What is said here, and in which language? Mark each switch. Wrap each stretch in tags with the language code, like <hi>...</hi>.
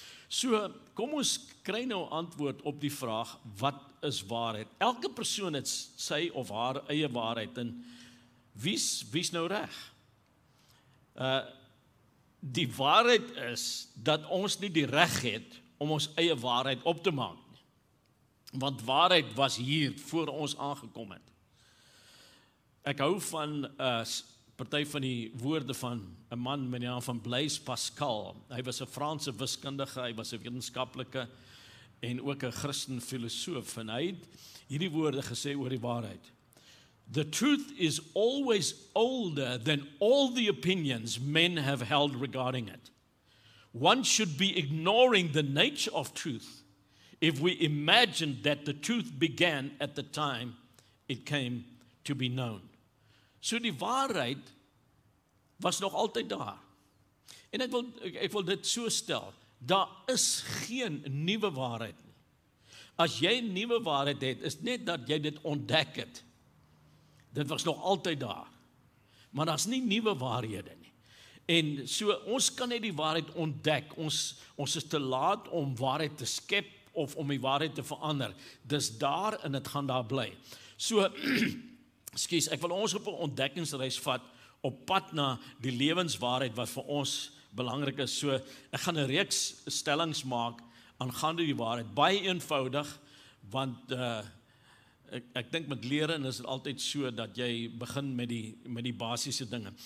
<af>So, kom ons kry nou antwoord op die vraag, wat is waarheid? Elke persoon het sy of haar eie waarheid, en wie's nou reg? Die waarheid is, dat ons nie die reg het, om ons eie waarheid op te maak. Want waarheid was hier, voor ons aangekom het. Ek hou van, partij van die woorde van, een man met die naam van Blaise Pascal. Hy was 'n Franse wiskundige, hy was 'n wetenskaplike, en ook 'n Christen filosoof, en hy het hierdie woorde gesê oor die waarheid.</af> <en>The truth is always older than all the opinions men have held regarding it. One should be ignoring the nature of truth if we imagine that the truth began at the time it came to be known.</en> <af>So die waarheid was nog altyd daar. En ek wil dit so stel, daar is geen nuwe waarheid nie. As jy 'n nuwe waarheid het, is net dat jy dit ontdek het. Dit was nog altyd daar. Maar daar's nie nuwe waarhede nie. En so, ons kan net die waarheid ontdek. Ons is te laat om waarheid te skep of om die waarheid te verander. Dis daar en het gaan daar bly. So, excuse, ek wil ons op 'n ontdekkingsreis vat op pad na die lewenswaarheid wat vir ons belangrik is. So, ek gaan 'n reeks stellings maak aangaande die waarheid. Baie eenvoudig, want ek dink met leere is dit altyd so dat jy begin met die basiese dinge.</af>